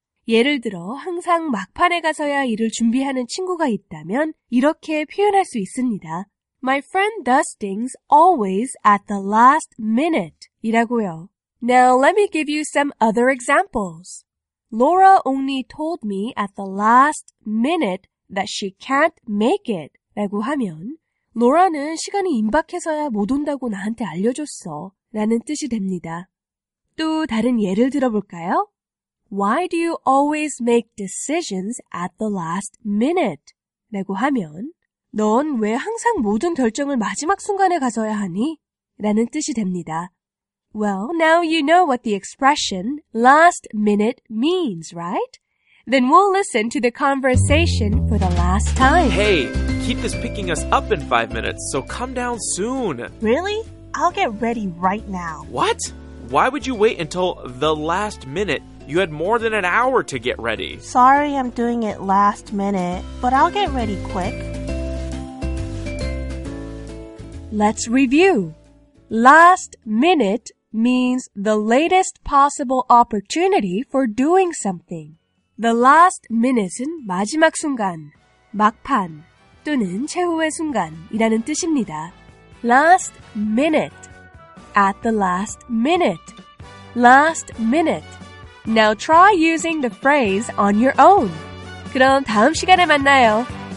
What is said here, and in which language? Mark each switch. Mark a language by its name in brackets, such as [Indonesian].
[Korean] 예를 들어 항상 막판에 가서야 일을 준비하는 친구가 있다면 이렇게 표현할 수 있습니다. [English] My friend does things always at the last minute. [Korean] 이라고요. [English] Now, let me give you some other examples. Laura only told me at the last minute that she can't make it. [Korean] 라고 하면, Laura는 시간이 임박해서야 못 온다고 나한테 알려줬어. 라는 뜻이 됩니다. 또 다른 예를 들어볼까요? [English] Why do you always make decisions at the last minute? [Korean] 라고 하면, 넌 왜 항상 모든 결정을 마지막 순간에 가져야 하니? 라는 뜻이 됩니다. [English] Well, now you know what the expression last minute means, right? Then we'll listen to the conversation for the last time. Hey, Keith is picking us up in 5 minutes, so come down soon. Really? I'll get ready right now. What? Why would you wait until the last minute? You had more than an hour to get ready. Sorry, I'm doing it last minute, but I'll get ready quick. Let's review. Last minute means the latest possible opportunity for doing something. [Korean] The last minute은 마지막 순간, 막판 또는 최후의 순간이라는 뜻입니다. [English] Last minute. At the last minute. Last minute. Now try using the phrase on your own. [Korean] 그럼 다음 시간에 만나요.